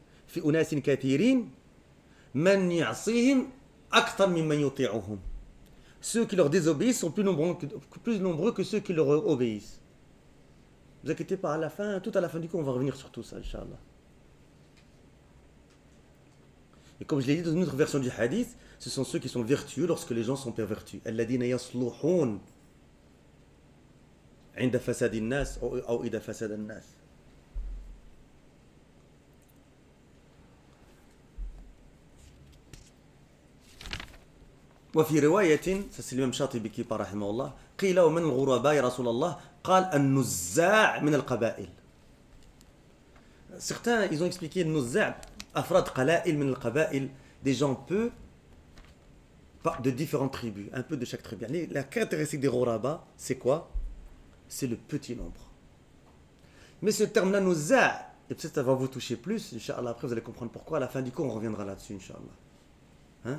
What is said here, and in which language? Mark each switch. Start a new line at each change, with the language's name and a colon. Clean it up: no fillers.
Arabic: في أناس كثيرين من يعصيهم أكثر ممن يطيعهم.
French: Ceux qui leur désobéissent sont plus nombreux que ceux qui leur obéissent. Ne vous inquiétez pas, à la fin, tout à la fin du coup, on va revenir sur tout ça, Inch'Allah. Et comme je l'ai dit dans une autre version du hadith, ce sont ceux qui sont vertueux lorsque les gens sont pervertus.
Arabic: الذين يصلحون عند فساد الناس أو إذا فسد الناس. وفي رواية سليمان الشاطبي كيبا رحمه الله قيل ومن الغرباء يا رسول الله؟ قال النزاع من القبائل.
French: Certains, ils ont expliqué
Arabic: nuzza' afrad qala'il min al-qaba'il,
French: des gens peu de différentes tribus, un peu de chaque tribu. La caractéristique des ghuraba, c'est quoi? C'est le petit nombre. Mais ce terme-là, nuzza', et peut-être ça va vous toucher plus, inshallah, après vous allez comprendre pourquoi, à la fin du cours, on reviendra là-dessus, inshallah. Hein?